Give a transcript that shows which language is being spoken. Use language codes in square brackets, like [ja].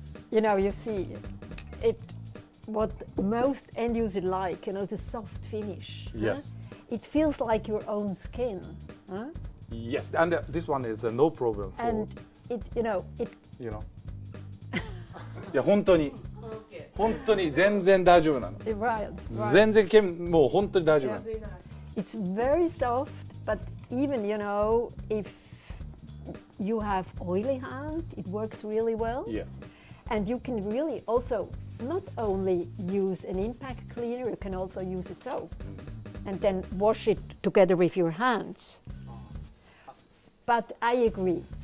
[en] You know, you see it, what most end user like, you know, the soft finish. Yes. It feels like your own skin. Yes, and this one is no problem for. And it, you know, it. You know. [ja] いや本当に。本当に全然大丈夫なの。全然もう本当に大丈夫なの。 [en] It's very soft, but even you know, if you have oily hand, it works really well. Yes. And you can really also not only use an impact cleaner, you can also use a soap, and then wash it together with your hands. But I agree.